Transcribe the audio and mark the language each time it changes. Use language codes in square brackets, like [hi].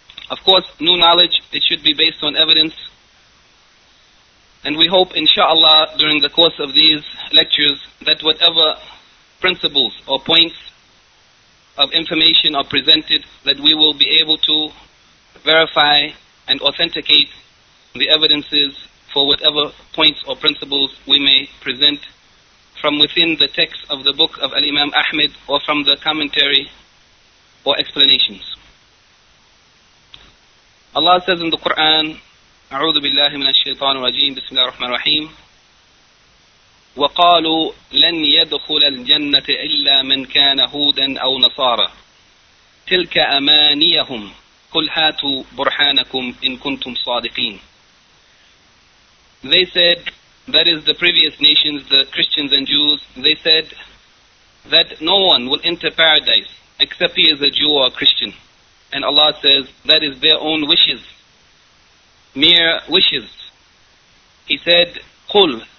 [en] Of course, new knowledge, it should be based on evidence. And we hope, inshaAllah, during the course of these lectures, that whatever principles or points of information are presented, that we will be able to verify and authenticate the evidences for whatever points or principles we may present from within the text of the book of Al-Imam Ahmad or from the commentary or explanations. [ar] Allah says in the Quran, أعوذ بالله من الشيطان الرجيم بسم الله الرحمن الرحيم وقالوا لن يدخل الجنة إلا من كان هودا أو نصارى تلك أمانيهم قل هاتوا برهانكم إن كنتم صادقين. [en] They said, that is the previous nations, the Christians and Jews, they said that no one will enter paradise except he is a Jew or a Christian. And Allah says, that is their own wishes, mere wishes. He said, قل,